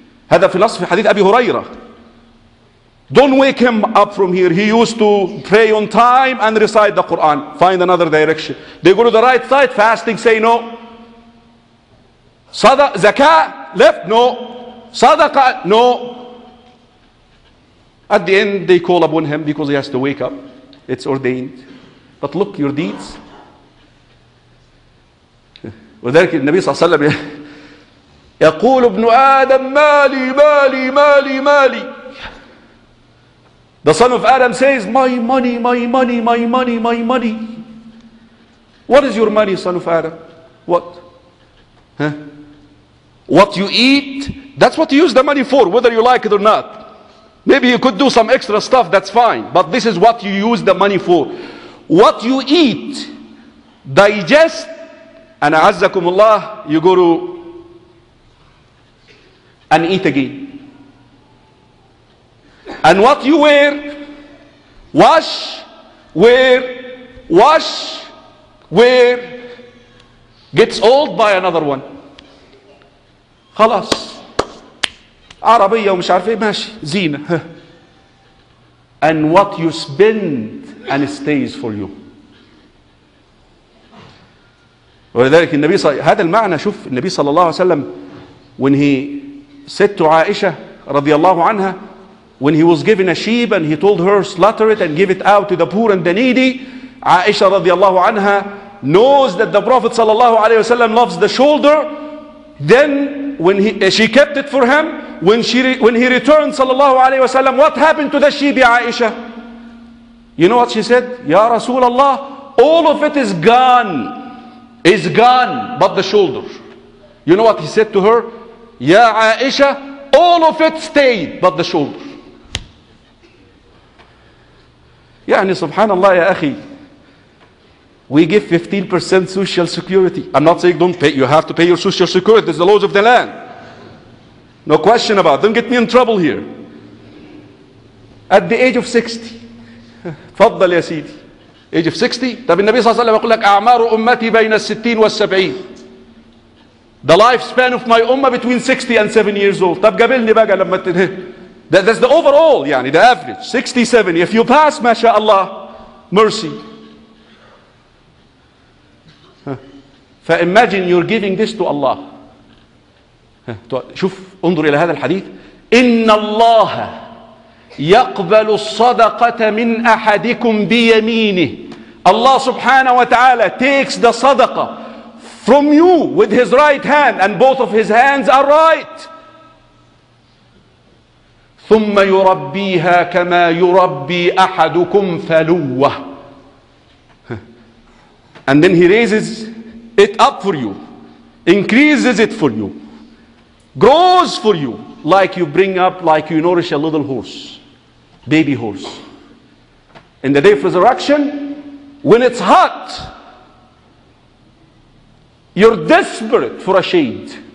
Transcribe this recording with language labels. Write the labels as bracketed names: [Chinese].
[Arabic] هذا في الأصف حديث أبي هريرة, [English] don't wake him up from here, he used to pray on time and recite the Quran, find another direction, they go to the right side fasting, say no, sadaqa, zakah, left, no, sadaqa, no. At the end they call upon him because he has to wake up, it's ordained. But look, your deeds. [Arabic] وذلك النبي صلى الله عليه وسلم يقول ابن آدم مالي مالي مالي مالي. [English] The son of Adam says, my money, my money, my money, my money. What is your money, son of Adam? What? Huh? What you eat? That's what you use the money for, whether you like it or not. Maybe you could do some extra stuff, that's fine. But this is what you use the money for. What you eat, digest, and [Arabic] a'azzakum Allah, [English] you go to and eat again. And what you wear, wash, wear, wash, wear, gets old by another one. [Arabic] خلاص. عربية ومش عارف ايه ماشي زينة. [English] And what you spend and it stays for you. [Arabic] ولذلك النبي صلى هذا المعنى, شوف النبي صلى الله عليه وسلم [English] when he said to Aisha [Arabic] رضي الله عنها, [English] when he was given a sheep and he told her slaughter it and give it out to the poor and the needy, Aisha رضي الله عنها knows that the Prophet [Arabic] صلى الله عليه وسلم [English] loves the shoulder, then when she kept it for him, when he returned صلى الله عليه وسلم, what happened to the sheep, Aisha? You know what she said? [Arabic] Ya Rasulallah, [English] all of it is gone but the shoulder. You know what he said to her? Ya Aisha, all of it stayed but the shoulder. [Arabic] يعني سبحان الله يا أخي, [English] we give 15% social security. I'm not saying don't pay, you have to pay your social security, it's the laws of the land, no question about it. Don't get me in trouble here. At the age of 60, [Arabic] تفضل يا سيدي, [English] age of 60. [Arabic] طب النبي صلى الله عليه وسلم يقول لك أعمار أمتي بين 60 و70. [English] The lifespan of my ummah between 60 and 70 years old. [Arabic] طب قبلني بقى لما [English] that's the overall, [Arabic] يعني [English] the average 60-70. If you pass, [Arabic] ما شاء الله, [English] mercy. فimagine you're giving this to Allah. [Arabic] شوف انظر إلى هذا الحديث. إن الله يقبل الصدقة من أحدكم بيمينه. [English] Allah [Arabic] سبحانه وتعالى [English] takes the sadaqah from you with his right hand, and both of his hands are right. [Arabic] ثم يربيها كما يربي أحدكم فلوة. [English] And then he raises it up for you, increases it for you, grows for you, like you bring up, like you nourish a little horse, baby horse. In the day of resurrection, when it's hot, you're desperate for a shade.